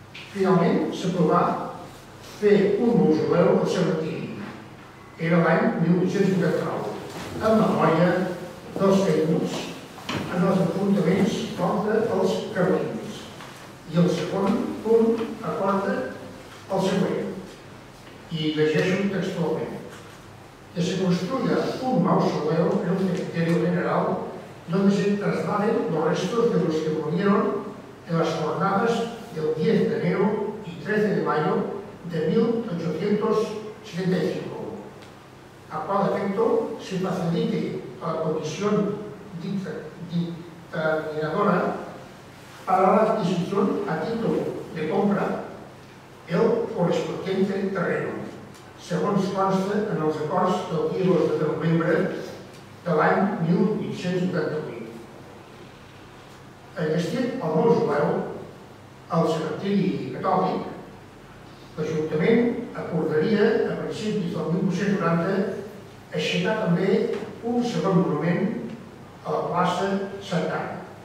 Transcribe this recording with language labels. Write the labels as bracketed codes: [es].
[ca] Finalment, s'aprovà fer un mausoleu al cementiri. Era l'any 1889, en memòria dels caiguts en els enfrontaments contra els carlins. I el segon punt aporta el següent. I llegeixo textualment. [es] Que se construya un mausoleu en un cementerio general donde se trasladen los restos de los que murieron en las jornadas del 10 de enero y 13 de mayo de 1875, a cual efecto se facilite a la comisión dictaminadora para la adquisición a título de compra el correspondiente terreno, [ca] segons consta en els acords del 10 de novembre de l'any 1888. Enllestit el mausoleu al cementiri catòlic, l'Ajuntament acordaria a principis del 1890 aixecar també un segon monument a la plaça Sant Anna.